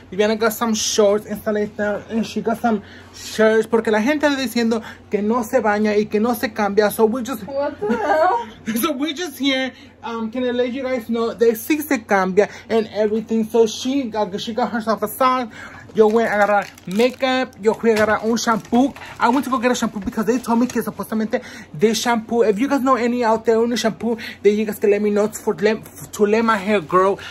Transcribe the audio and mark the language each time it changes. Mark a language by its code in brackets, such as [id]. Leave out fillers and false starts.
[en] Viviana got some shorts and stuff like that. And she got some shirts. [es] Porque la gente está diciendo que no se baña y que no se cambia. [en] So we just... What the hell? So we just here. Can I let you guys know that [es] sí se cambia [en] and everything. So she got herself a sock. [es] Yo voy a agarrar [en] makeup. [es] Yo voy a agarrar un shampoo. [en] I went to go get a shampoo because they told me [es] que supuestamente [en] this shampoo. If you guys know any out there, any shampoo, then you guys can let me know to let my hair grow.